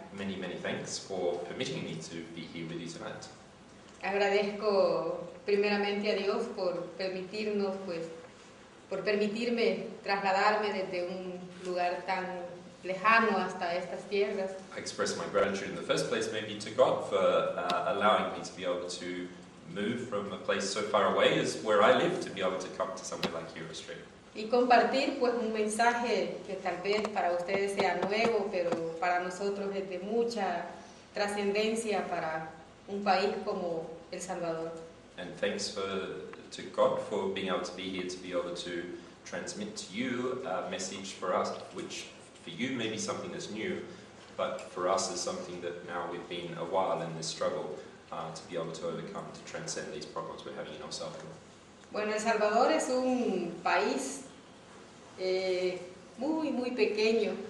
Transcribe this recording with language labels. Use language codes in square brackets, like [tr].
[en] Many, many thanks for permitting me to be here with you tonight. [es] Agradezco primeramente a Dios por permitirnos, pues, por permitirme trasladarme desde un lugar tan lejano hasta estas tierras. [en] I express my gratitude in the first place maybe to God for allowing me to be able to move from a place so far away as where I live to be able to come to somewhere like here Street. [es] Y compartir pues un mensaje que tal vez para ustedes sea nuevo, pero para nosotros es de mucha trascendencia para un país como El Salvador. [en] And thanks to God for being able to be here to be able to transmit to you a message for us, which for you may be something that's new, but for us is something that now we've been a while in this struggle to be able to overcome, to transcend these problems we're having in El Salvador. [es] Bueno, El Salvador es un país muy, muy pequeño.